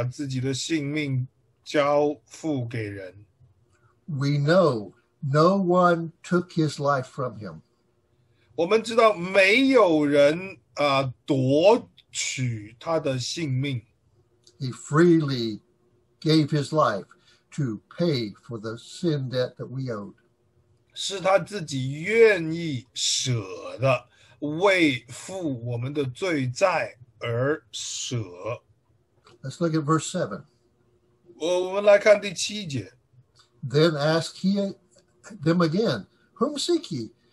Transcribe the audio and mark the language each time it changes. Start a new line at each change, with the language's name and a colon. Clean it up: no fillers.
Chinese: 这时开始，耶稣就预备好，把自己的性命交付给人。
English: We know no one took his life from him.
Chinese: 我们知道没有人夺取他的性命。
English: He freely gave his life to pay for the sin debt that we owed.
Chinese: 是他自己愿意舍的，为付我们的罪债而舍。
English: Let's look at verse 7.
Chinese: 我们来看第七节。
English: Then asked he them again, Whom seek ye?